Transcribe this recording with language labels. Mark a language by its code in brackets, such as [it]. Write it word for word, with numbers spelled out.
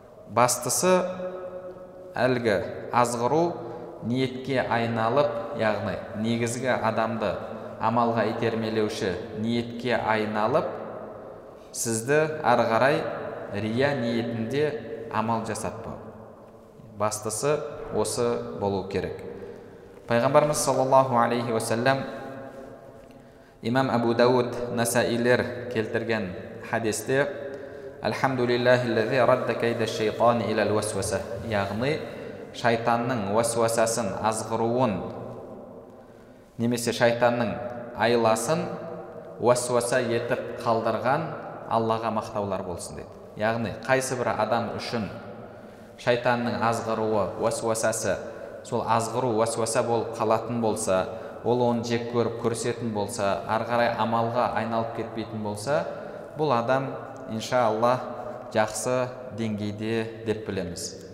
[kk] Бастысы, әлгі азғыру ниетке айналып, яғни негізгі адамды амалға итермелеуші ниетке айналып, сізді ары қарай рия ниетінде амал жасатпау. Бастысы осы болу керек. Пайғамбарымыз саллаллаху алейхи уассалам имам Абу Дауд, Насаилер келтірген хадисте [ar] «Альхамдулиллахи лази радда кайда шайтан илал уасваса». [kk] Яғни шайтанның уәсуәсасын азғыруын немесе шайтанның айласын уәсуәса етіп қалдырған Аллаға мақтаулар болсын деді. Яғни қайсы бір адам үшін шайтанның азғыруы уәсуәсасы сол азғыру уәсуәса болып қалатын болса, ол оны жек көріп көрсетін болса, ары қарай амалға айналып кетпейтін болса, бұл адам иншалла жақсы деңгейде деп білеміз.